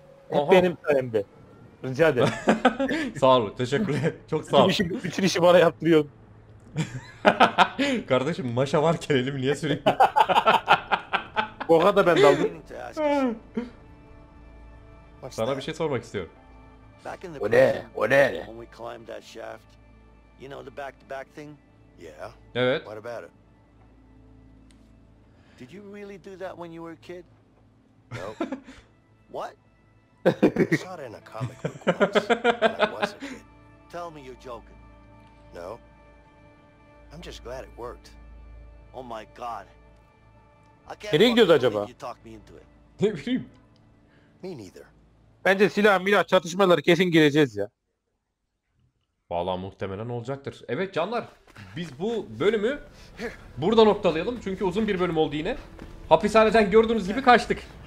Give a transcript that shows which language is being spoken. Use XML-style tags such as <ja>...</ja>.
<tr>Hep benim sayemde. Rica ederim. Sağ ol, teşekkürler. Çok sağ ol. Bütün işi bana yaptırıyorsun. Kardeşim maşa varken elim niye sürekli? Koka da ben daldım. Sana bir şey sormak istiyorum. O ne? O ne?</tr> <en>When we climbed that shaft, you know the back-to-back thing? Yeah.</en> <tr>Evet.</tr> <en>What about it? Did you really do that when you were a kid? Nope. What? I saw it in a comic book once, when I was a kid. Tell me you're joking. No. I'm just glad it worked. Oh my god. I can't believe you talked me into it.</en> <tr>Ne bileyim.</tr> <en>Me neither.</en> <tr>Bence silah milah çatışmaları kesin gireceğiz ya. Vallahi muhtemelen olacaktır. Evet canlar, biz bu bölümü burada noktalayalım. Çünkü uzun bir bölüm oldu yine. Hapishaneden gördüğünüz gibi kaçtık.</tr>